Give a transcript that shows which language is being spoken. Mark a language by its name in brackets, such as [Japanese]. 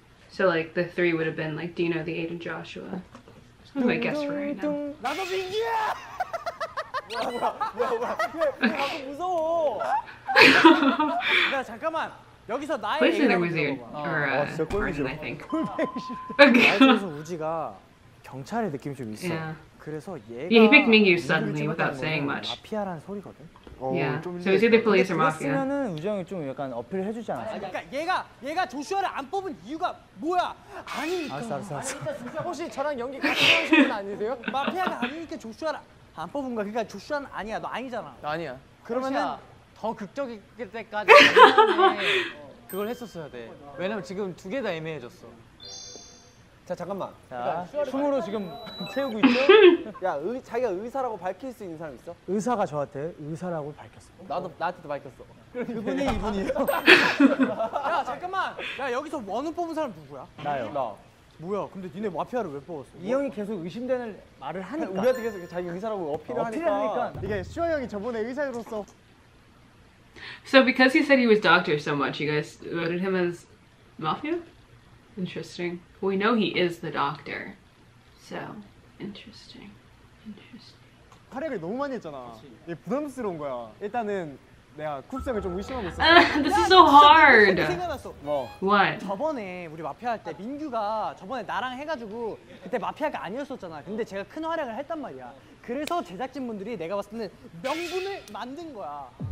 [English] So like, the 3 would have been like Dino, the 8, and Joshua. That's my guess for right now. [Korean] 나도 민규야! 뭐야, 나도 무서워! 야, 잠깐만! 여기서 나의 [English] Please say they're Wizzy or Vernon, I think. Okay. [Korean] 그래서 우지가 경찰의 느낌이 좀 있어. 그래서 얘가 [English] Yeah, he picked Mingyu suddenly without saying much. [Korean] 마피아라는 소리거든? [English] Yeah, so it's either police or mafia. [Korean] 그랬으면 우지 형이 좀 약간 어필을 해주지 않았어? 그러니까 얘가 조슈아를 안 뽑은 이유가 뭐야? 아니니까. 알았어. 혹시 저랑 연기 같이 하시는 분 아니세요? 마피아가 아니니까 조슈아를 안 뽑은 거야. 그러니까 조슈아는 아니야. 너 아니잖아. 아니야. 그러면은 더 극적일 때까지 애매한데 그걸 했었어야 돼. 왜냐면 지금 두 개 다 애매해졌어. 자 잠깐만. 자 숨으로 지금 채우고 있죠? 야 자기가 의사라고 밝힐 수 있는 사람 있어? 의사가 저한테 의사라고 밝혔어. 나도 나한테도 밝혔어. 그분이 이분이에요? 야 잠깐만. 야 여기서 원을 뽑은 사람 누구야? 나요. 나. 뭐야? 근데 니네 마피아를 왜 뽑았어? 이 뭐? 형이 계속 의심되는 말을 하니까. 우리한테 계속 자기 의사라고 어필하니까. 이게 슈아 형이 저번에 의사로서. [English] So because he said he was doctor so much, you guys voted him as mafia? Interesting. We know he is the doctor. So, interesting. [Korean] 활약을 너무 많이 했잖아. 얘 부담스러운 거야. 일단은 내가 쿱스형을 좀 의심하고 있어. [English] This is so hard. [Korean] 생각났어. 뭐? [English] What? [Korean] 저번에 우리 마피아 할 때 민규가 저번에 나랑 해가지고 그때 마피아가 아니었었잖아. 근데 제가 큰 활약을 했단 말이야. 그래서 제작진분들이 내가 봤을 때는 명분을 만든 거야.